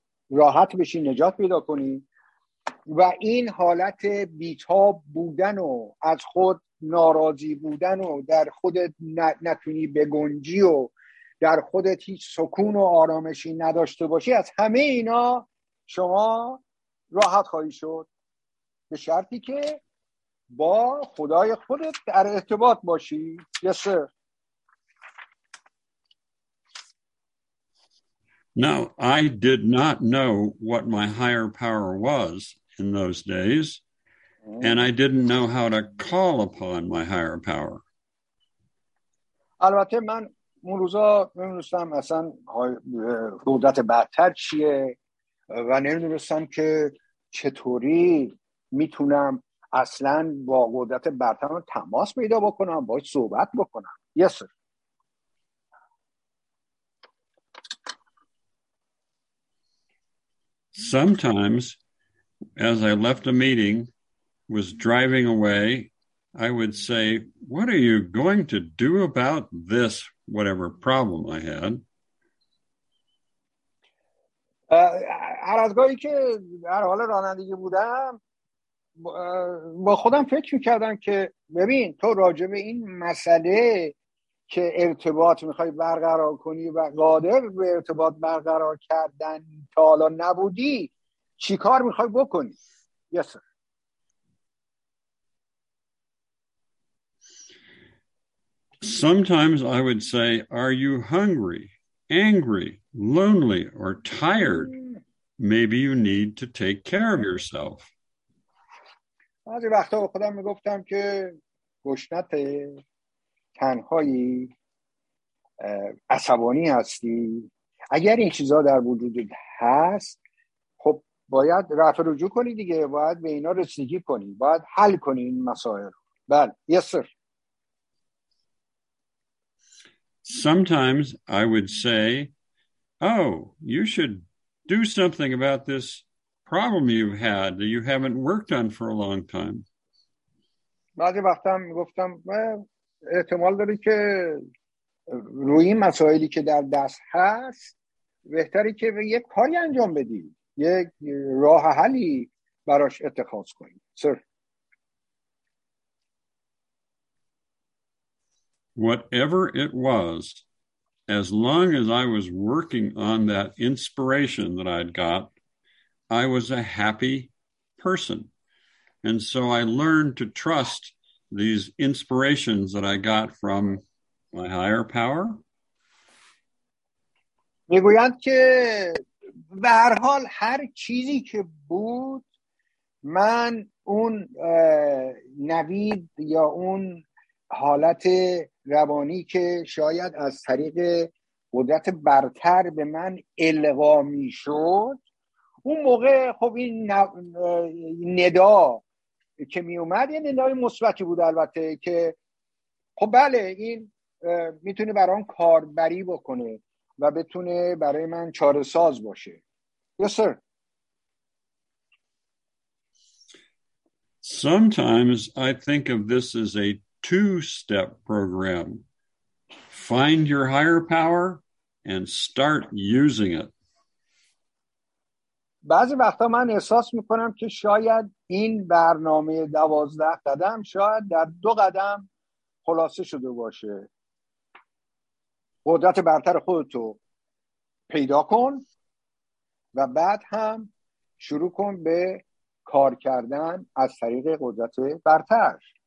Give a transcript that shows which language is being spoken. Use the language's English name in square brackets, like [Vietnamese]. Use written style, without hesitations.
[Persian] راحت بشی، نجات پیدا کنی و این حالت بیتاب بودن و از خود ناراضی بودن و در خودت نتونی بگنجی و در خودت هیچ سکون و آرامشی نداشته باشی، از همه اینا شما راحت خواهی شد، به شرطی که با خدای خودت در ارتباط باشی. [English] Yes, sir. Now, I did not know what my higher power was in those days, and I didn't know how to call upon my higher power. [Persian] البته من اون روزا نمی‌دونستم اصلا قدرت برتر چیه و نمی‌دونستم که چطوری میتونم اصلا با قدرت برتر تماس پیدا بکنم، باهاش صحبت بکنم. [English] Yes, sir. Sometimes, as I left a meeting, was driving away, I would say, "What are you going to do about this, whatever problem I had?" [Persian] هر از گاهی که در حال رانندگی بودم، با خودم فکر میکردم که ببین تو راجع به این مسئله که ارتباط میخوای برقرار کنی و قادر به ارتباط برقرار کردن تا حالا نبودی، چی کار میخوای بکنی؟ [English] Yes, sir. Sometimes I would say, "Are you hungry, angry, lonely, or tired? Maybe you need to take care of yourself." [Persian] بعضی وقتا به خودم میگفتم که گشنت، تنهایی، عصبانی هستی، اگر این چیزها در وجودت هست خب باید رفع رجوع کنی دیگه، باید به اینا رسیدگی کنی، باید حل کنی این مسائل. بله. [English] Yes, sir. sometimes I would say, oh, you should do something about this problem you've had that you haven't worked on for a long time. [Persian] بعضی وقتا میگفتم احتمال داره که روی این مسائلی که در دست هست بهتری که یک کاری انجام بدی، یک راه حلی براش اتخاذ کنی. [English] سر Whatever it was, as long as I was working on that inspiration that I'd got, I was a happy person. And so I learned to trust these inspirations that I got from my higher power. [Persian] میگویند که به هر حال هر چیزی که بود من اون نوید یا اون حالت روانی که شاید از طریق قدرت برتر به من القا میشد، اون موقع خب این ندا که می اومد یه ندای مثبتی بود البته، که خب بله این میتونه برام کاربری بکنه و بتونه برای من چاره ساز باشه. [English] Yes, sir. Sometimes I think of this as a two-step program. Find your higher power and start using it. [Persian] بعضی وقتا من احساس میکنم که شاید این برنامه 12 قدم شاید در 2 قدم خلاصه شده باشه. قدرت برتر خودتو پیدا کن و بعد هم شروع کن به کار کردن از طریق قدرت برتر.